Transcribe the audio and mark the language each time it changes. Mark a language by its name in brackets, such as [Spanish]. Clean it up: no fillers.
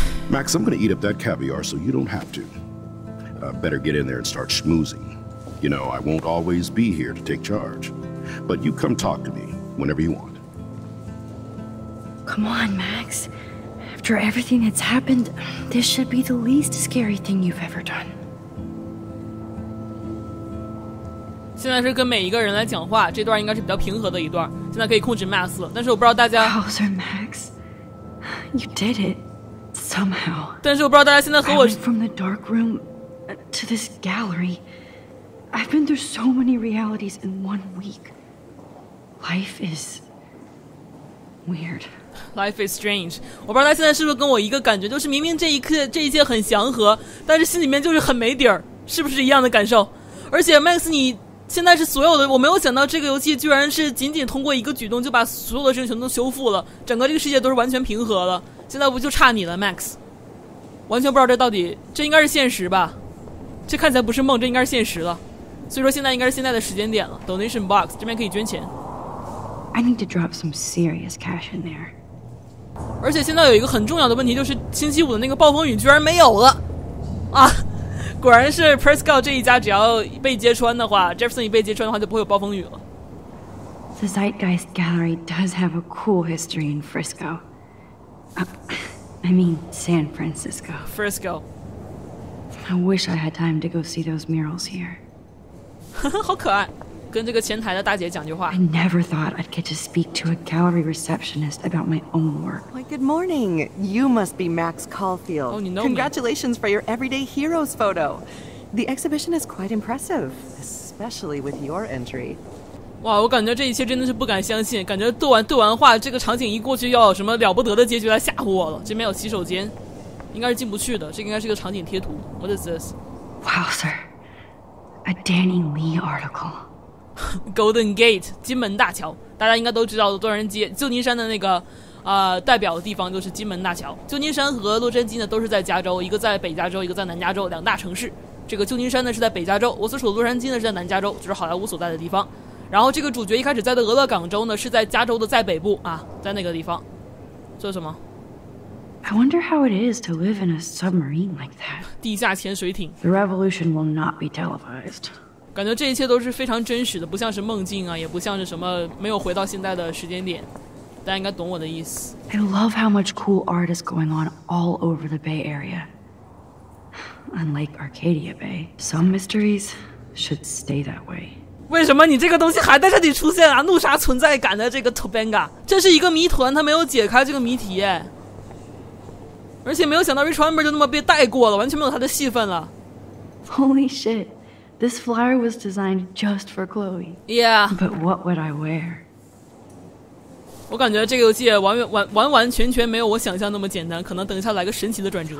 [English] Max, I'm going to eat up that caviar so you don't have to. Better get in there and start schmoozing. You know, I won't always be here to take charge. But you come talk to me whenever you want. Come on, Max. After everything that's happened, this should be the least scary thing you've ever done. [Chinese] 现在是跟每一个人来讲话，这段应该是比较平和的一段。现在可以控制 Max 了，但是我不知道大家。 [English] Bowser, Max. You did it. Somehow. [Chinese] 但是我不知道大家现在和我。 [English] I went from the dark room. To this gallery, I've been through so many realities in 1 week. Life is weird. Life is strange. [Chinese] 我不知道他现在是不是跟我一个感觉，就是明明这一切很祥和，但是心里面就是很没底儿，是不是一样的感受？而且 Max， 你现在是所有的，我没有想到这个游戏居然是仅仅通过一个举动就把所有的事情全都修复了，整个这个世界都是完全平和了。现在不就差你了 ，Max？ 完全不知道这到底，这应该是现实吧？这看起来不是梦，这应该是现实了。所以说现在应该是现在的时间点了。 [English] Donation box [Chinese] 这边可以捐钱。 [English] I need to drop some serious cash in there. [Chinese] 而且现在有一个很重要的问题，就是星期五的那个暴风雨居然没有了啊！果然是 Prescott 这一家，只要被揭穿的话， Jefferson 一被揭穿的话，就不会有暴风雨了。 [English] The Zeitgeist Gallery does have a cool history in Frisco. I mean San Francisco. Frisco. I wish I had time to go see those murals here. [Chinese] 好可爱，跟这个前台的大姐讲句话。 [English] I never thought I'd get to speak to a gallery receptionist about my own work. Why, good morning. You must be Max Caulfield. Oh, you know Congratulations for your Everyday Heroes photo. The exhibition is quite impressive, especially with your entry. [Chinese] 哇，我感觉这一切真的是不敢相信，感觉对完话，这个场景一过去，要有什么了不得的结局来吓唬我了。这边有洗手间。应该是进不去的，这应该是一个场景贴图。 [English] What is this? Wow, sir. A Danny Lee article. [Chinese] Golden Gate, 金门大桥。大家应该都知道洛杉矶，旧金山的那个代表的地方就是金门大桥。旧金山和洛杉矶呢都是在加州，一个在北加州，一个在南加州，两大城市。这个旧金山呢是在北加州，我所处的洛杉矶呢是在南加州，就是好莱坞所在的地方。然后这个主角一开始在的俄勒冈州呢是在加州的再北部啊，在那个地方。做什么？ [English] I wonder how it is to live in a submarine like that. [Chinese] 地下潜水艇。 [English] The revolution will not be televised. [Chinese] 感觉这一切都是非常真实的，不像是梦境啊，也不像是什么没有回到现在的时间点。大家应该懂我的意思。 [English] I love how much cool art is going on all over the Bay Area. Unlike Arcadia Bay, some mysteries should stay that way. [Chinese] 为什么你这个东西还在这里出现啊？怒杀存在感的这个 Topanga， 这是一个谜团，它没有解开这个谜题。而且没有想到 Rich Humber 就那么被带过了，完全没有他的戏份了。 [English] Holy shit, this flyer was designed just for Chloe. Yeah. But what would I wear? [Chinese] 我感觉这个游戏完完全全没有我想象那么简单，可能等一下来个神奇的转折。